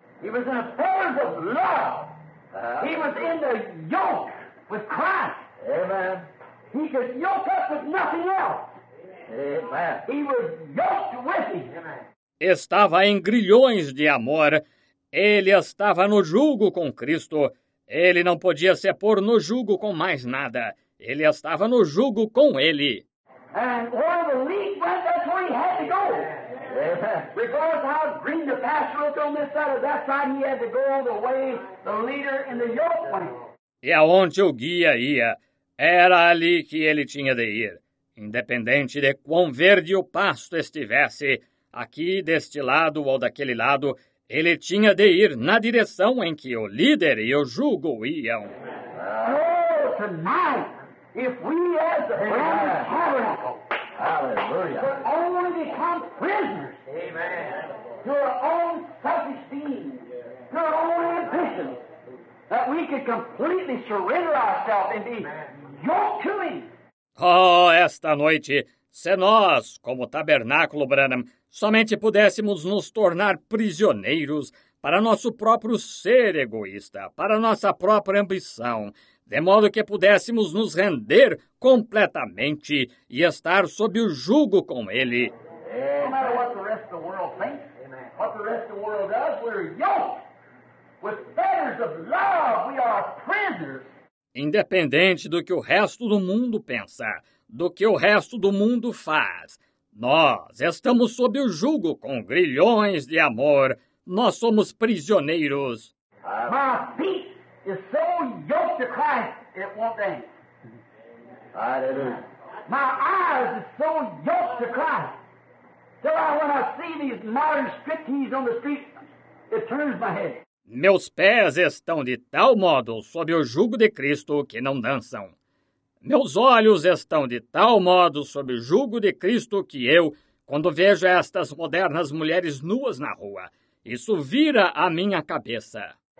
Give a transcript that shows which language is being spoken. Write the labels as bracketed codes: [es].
[en] He was in a prison of love. He was in the yoke with Christ. Amen. He could yoke up with nothing else. Amen. He was yoked with him. [pt] Estava em grilhões de amor. Ele estava no jugo com Cristo. Ele não podia se pôr no jugo com mais nada. Ele estava no jugo com Ele. [en] And where the leak went, that's where he had to go. Regardless how green the pasture looked on this side or that side, he had to go the way the leader in the yoke went. [pt] E aonde o guia ia, era ali que ele tinha de ir. Independente de quão verde o pasto estivesse, aqui deste lado ou daquele lado, ele tinha de ir na direção em que o líder e o jugo iam. [en] Oh, tonight, if we as the brethren of the tabernacle could only become prisoners to our own selfish deeds, to our own ambitions, that we could completely surrender ourselves and be yoked to Him. [pt] Oh, esta noite, se nós, como tabernáculo, Branham, somente pudéssemos nos tornar prisioneiros para nosso próprio ser egoísta, para nossa própria ambição, de modo que pudéssemos nos render completamente e estar sob o jugo com Ele. [en] No matter what the rest of the world thinks, what the rest of the world does, we're yoked with fetters of love, we are prisoners. [pt] Independente do que o resto do mundo pensa, do que o resto do mundo faz, nós estamos sob o jugo com grilhões de amor. Nós somos prisioneiros. [en] My feet is so yoked to Christ, it won't dance. Hallelujah. My eyes is so yoked to Christ, till I, when I see these modern striptease on the street, it turns my head. [pt] Meus pés estão de tal modo sob o jugo de Cristo que não dançam. Meus olhos estão de tal modo sob o jugo de Cristo que eu, quando vejo estas modernas mulheres nuas na rua, isso vira a minha cabeça.